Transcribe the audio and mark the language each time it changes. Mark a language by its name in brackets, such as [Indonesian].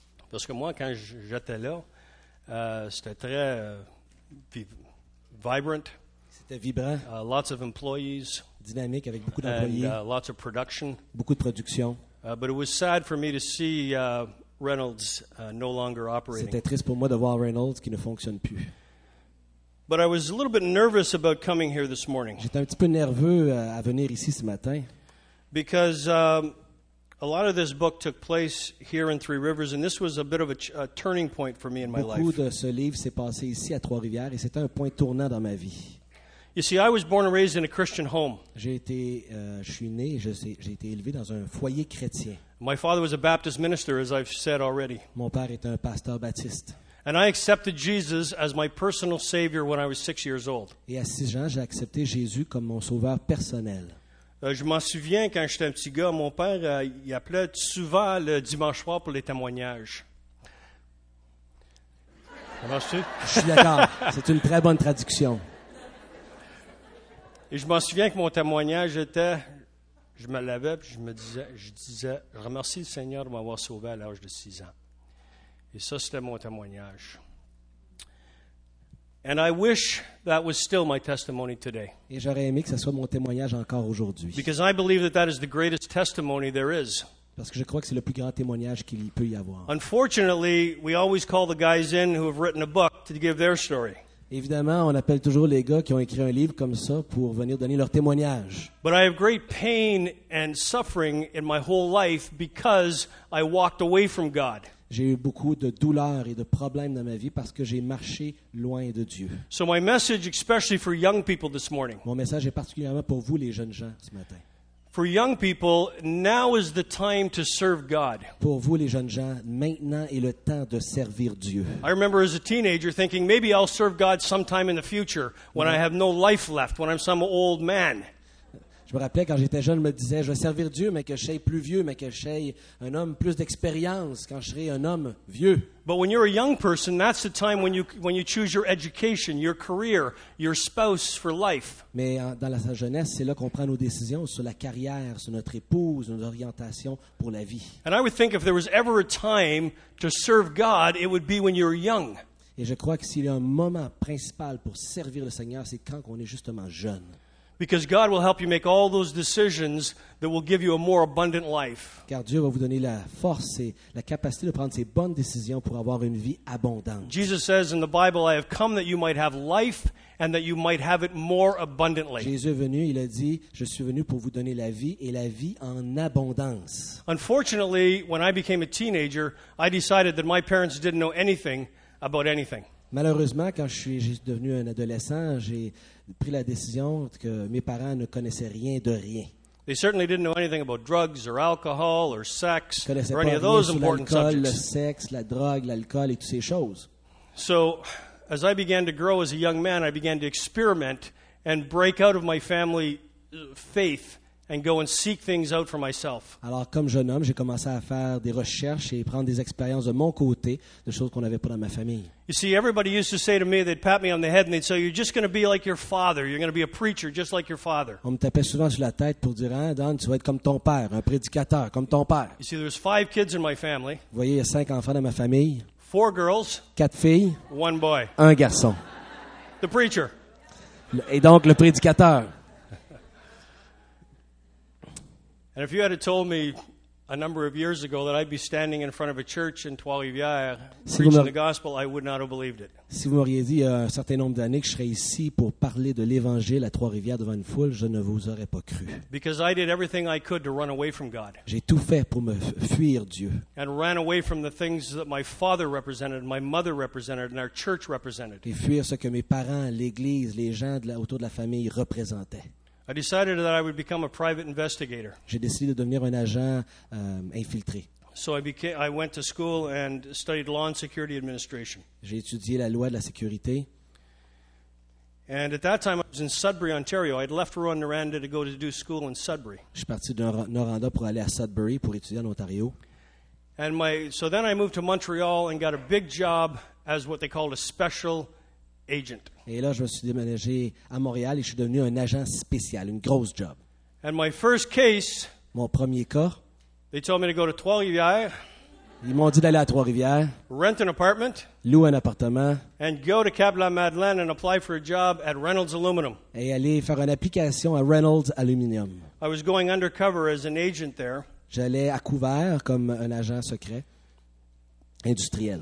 [French] Parce que moi, quand j'étais là, c'était très vibrant. C'était vibrant. [English] Lots of employees. [French] Dynamique avec beaucoup d'employés. [English] And lots of production. [French] Beaucoup de production. [English] But it was sad for me to see Reynolds no longer operating. [French] C'était triste pour moi de voir Reynolds qui ne fonctionne plus. [English] But I was a little bit nervous about coming here this morning. [French] J'étais un petit peu nerveux à venir ici ce matin. [English] Because a lot of this book took place here in Three Rivers, and this was a bit of a turning point for me in my life. [French] Beaucoup de ce livre s'est passé ici à Trois-Rivières, et c'était un point tournant dans ma vie. [English] You see, I was born and raised in a Christian home. [French] J'ai été élevé dans un foyer chrétien. [English] My father was a Baptist minister, as I've said already. [French] Mon père était un pasteur baptiste. [English] And I accepted Jesus as my personal savior when I was 6 years old. [French] Et à 6 ans, j'ai accepté Jésus comme mon sauveur personnel. Je m'en souviens, quand j'étais un petit gars, mon père, il appelait souvent le dimanche soir pour les témoignages. Ça marche-tu? Je suis d'accord. C'est une très bonne traduction. Et je m'en souviens que mon témoignage était, je me levais et je disais, je remercie le Seigneur de m'avoir sauvé à l'âge de 6 ans. Et ça, c'était mon témoignage. [English] And I wish that was still my testimony today. [French] Et j'aurais aimé que ça soit mon témoignage encore aujourd'hui. [English] Because I believe that is the greatest testimony there is. [French] Parce que je crois que c'est le plus grand témoignage qu'il peut y avoir. [English] Unfortunately, we always call the guys in who have written a book to give their story. [French] Évidemment, on appelle toujours les gars qui ont écrit un livre comme ça pour venir donner leur témoignage. [English] But I have great pain and suffering in my whole life because I walked away from God. [French] J'ai eu beaucoup de douleurs et de problèmes dans ma vie parce que j'ai marché loin de Dieu. [English] So my message, especially for young people this morning. [French] Mon message est particulièrement pour vous, les jeunes gens, ce matin. [English] For young people, now is the time to serve God. [French] Pour vous, les jeunes gens, maintenant est le temps de servir Dieu. [English] I remember as a teenager thinking maybe I'll serve God sometime in the future when I have no life left, when I'm some old man. [French] Je me rappelais quand j'étais jeune, je me disais, je vais servir Dieu, mais que je sois plus vieux, mais que je sois un homme plus d'expérience, quand je serai un homme vieux. [English] But when you're a young person, that's the time when you choose your education, your career, your spouse for life. [French] Mais dans la jeunesse, c'est là qu'on prend nos décisions sur la carrière, sur notre épouse, nos orientations pour la vie. [English] And I would think if there was ever a time to serve God, it would be when you're young. [French] Et je crois que s'il y a un moment principal pour servir le Seigneur, c'est quand on est justement jeune. [English] Because God will help you make all those decisions that will give you a more abundant life. [French] Car Dieu va vous donner la force et la capacité de prendre ces bonnes décisions pour avoir une vie abondante. [English] Jesus says in the Bible, I have come that you might have life and that you might have it more abundantly. [French] Jésus est venu, il a dit, je suis venu pour vous donner la vie et la vie en abondance. [English] Unfortunately, when I became a teenager, I decided that my parents didn't know anything about anything. [French] Malheureusement, quand je suis devenu un adolescent, j'ai pris la décision que mes parents ne connaissaient rien de rien. [English] They certainly didn't know anything about drugs or alcohol or sex or any of those important subjects. [French] Le sexe, la drogue, l'alcool et toutes ces choses. [English] So, as I began to grow as a young man, I began to experiment and break out of my family faith and go and seek things out for myself. [French] Alors, comme jeune homme, j'ai commencé à faire des recherches et prendre des expériences de mon côté, de choses qu'on n'avait pas dans ma famille. [English] You see, everybody used to say to me, they'd pat me on the head and they'd say, you're just going to be like your father. You're going to be a preacher just like your father. [French] On me tapait souvent sur la tête pour dire, hein, Don, tu vas être comme ton père, un prédicateur, comme ton père. [English] You see, there's five kids in my family. [French] Vous voyez, il y a cinq enfants dans ma famille. [English] Four girls. [French] Quatre filles. [English] One boy. [French] Un garçon. [English] The preacher. [French] Et donc, le prédicateur. [English] And if you had told me a number of years ago that I'd be standing in front of a church in Trois-Rivières [French] si [English] preaching the gospel, I would not have believed it. [French] Si vous m'auriez dit il y a un certain nombre d'années que je serais ici pour parler de l'évangile à Trois-Rivières devant une foule, je ne vous aurais pas cru. [English] Because I did everything I could to run away from God. [French] J'ai tout fait pour me fuir Dieu. [English] And ran away from the things that my father represented, my mother represented, and our church represented. [French] Et fuir ce que mes parents, l'église, les gens autour de la famille représentaient. [English] I decided that I would become a private investigator. [French] J'ai décidé de devenir un agent infiltré. [English] So I went to school and studied law and security administration. [French] J'ai étudié la loi de la sécurité. [English] And at that time I was in Sudbury, Ontario. I had left Rouyn-Noranda to go to do school in Sudbury. [French] Je suis parti de Noranda pour aller à Sudbury pour étudier en Ontario. [English] So then I moved to Montreal and got a big job as what they called a special agent. [French] Et là, je me suis déménagé à Montréal et je suis devenu un agent spécial, une grosse job. [English] And my first case, [French] mon premier cas, [English] they told me to go to Trois-Rivières, [French] ils m'ont dit d'aller à Trois-Rivières, [English] rent an apartment, [French] louer un appartement, [English] and go to Cap-la-Madeleine and apply for a job at Reynolds Aluminum. [French] Et aller faire une application à Reynolds Aluminium. [English] I was going undercover as an agent there. [French] J'allais à couvert comme un agent secret industriel.